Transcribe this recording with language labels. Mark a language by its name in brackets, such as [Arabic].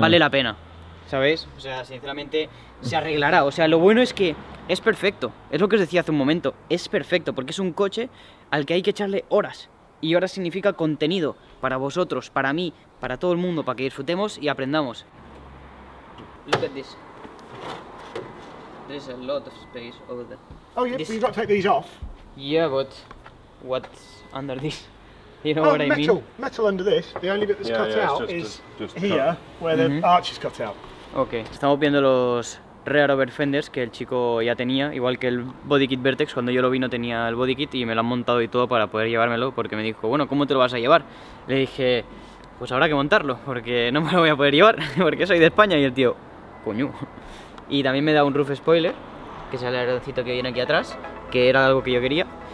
[Spanish] Vale la pena, ¿sabéis? O sea, sinceramente, se arreglará. O sea, lo bueno es que es perfecto, es lo que os decía hace un momento, es perfecto, porque es un coche al que hay que echarle horas. Y ahora significa contenido para vosotros, para mí, para todo el mundo, para que disfrutemos y aprendamos. [English] Look at this. There's a lot of space over there. Oh yeah, this... but you've got to take these off. Yeah, but what's under this? You know oh, what metal. I mean? Metal under this. The only bit that's cut out just is just here, cut. Where the arch is cut out. Okay. [Spanish] Estamos viendo los rear overfenders que el chico ya tenía, igual que el body kit Vertex. Cuando yo lo vi no tenía el body kit y me lo han montado y todo para poder llevármelo, porque me dijo, bueno, ¿cómo te lo vas a llevar? Le dije, pues habrá que montarlo, porque no me lo voy a poder llevar, porque soy de España. Y el tío, coño. Y también me da un roof spoiler, que es el aeroncito que viene aquí atrás, que era algo que yo quería.